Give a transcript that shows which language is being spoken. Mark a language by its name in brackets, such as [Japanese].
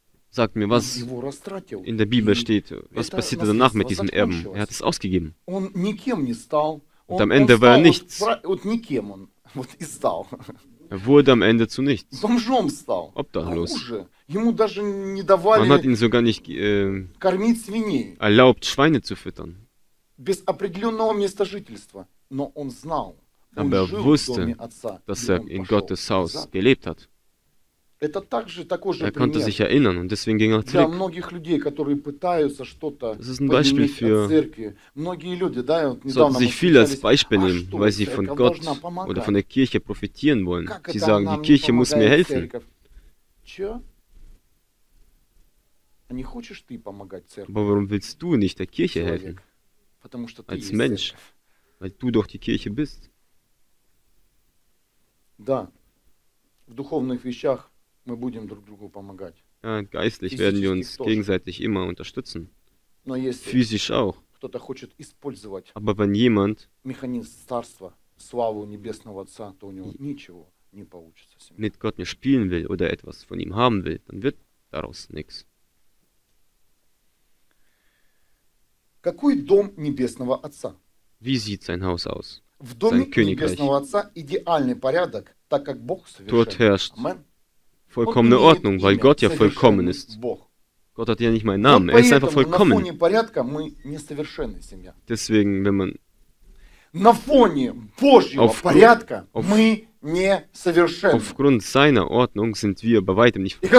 [German] Sagt mir, was in der Bibel steht, was passierte danach mit diesem Erben? Er hat es ausgegeben. Und am Ende war er nichts. Er wurde am Ende zu nichts. Obdachlos. Man hat ihn sogar nicht erlaubt, Schweine zu füttern. [Russian] без определенного места жительства, но он знал, [German] aber er wusste, dass er in Gottes Haus gelebt hat. Er konnte sich erinnern und deswegen ging er zurück. Das ist ein Beispiel für sollten sich viele als Beispiel nehmen, weil sie von Gott oder von der Kirche profitieren wollen. Sie sagen, die Kirche muss mir helfen. Aber warum willst du nicht der Kirche helfen? Als Mensch, weil du doch die Kirche bist. [Russian] Да, в духовных вещах мы будем друг другу помогать. [German] Ja, geistlich werden wir uns gegenseitig immer unterstützen. [Russian] Но если [German] physisch auch. [Russian] Кто-то хочет использовать [German] aber wenn jemand [Russian] механизм царства, славу небесного Отца, то у него ничего не получится. [German] Mit Gott nicht spielen will oder etwas von ihm haben will, dann wird daraus nichts. [Russian] Какой дом небесного Отца? [German] Wie sieht sein Haus aus? [Russian] В доме небесного Отца идеальный порядок, так как Бог совершен. [German] Dort herrscht vollkommene Ordnung, weil Gott ja vollkommen ist. Gott hat ja nicht meinen Namen, er ist einfach vollkommen. [Russian] На фоне порядка мы несовершенная семья. [German] Deswegen, wenn man [Russian] на фоне Божьего порядка мы несовершенны. [German] Aufgrund seiner Ordnung sind wir bei weitem nicht vollkommen.